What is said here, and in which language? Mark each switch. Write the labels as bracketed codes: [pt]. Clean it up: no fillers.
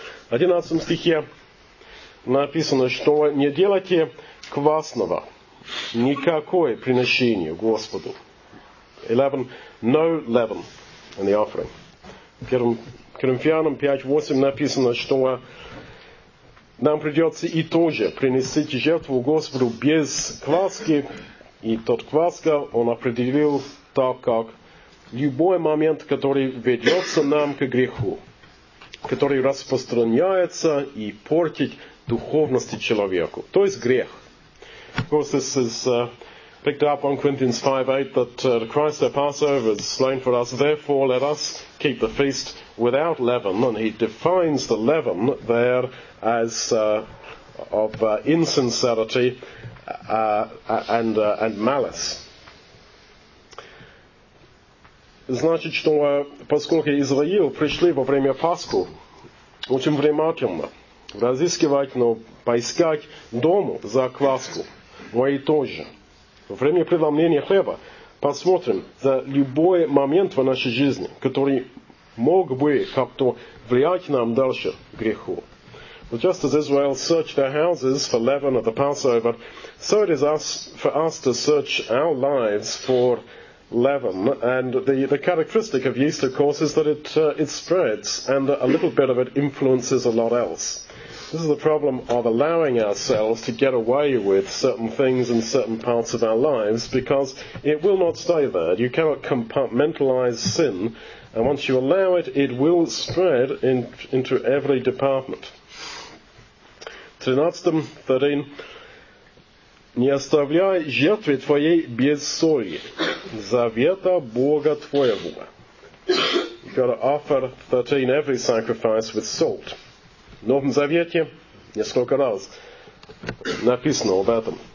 [ru] В 11 стихе написано, что не делайте квасного никакое приношение Господу. [en] 11, no leaven in the offering. [ru] В 1 Коринфянам 5:8 написано, что нам придется и тоже принести жертву Господу без кваски. И тот кваска он определил так, как любой момент, который ведется нам к греху, который распространяется и портит духовность человеку, то есть грех. [en] Of course, this is picked up on 1 Corinthians 5:8, that Christ our Passover is slain for us, therefore let us keep the feast without leaven. And he defines the leaven there as of insincerity and malice. [ru] Значит, что поскольку Израиль пришли во время Пасху, очень внимательно разыскивать, поискать дому за кваску, мы тоже. Во время преломления хлеба посмотрим за любой момент в нашей жизни, который мог бы как-то влиять нам дальше греху. [en] But just as Israel searched their houses for leaven at the Passover, so it is for us to search our lives for leaven, and the characteristic of yeast, of course, is that it spreads, and a little bit of it influences a lot else. This is the problem of allowing ourselves to get away with certain things in certain parts of our lives, because it will not stay there. You cannot compartmentalize sin, and once you allow it, it will spread into every department. 13. [ru] Не оставляй жертвы твоей без соли, завета Бога твоего. [en] got to offer 13 every sacrifice with salt. [ru] В Новом Завете несколько раз написано об этом.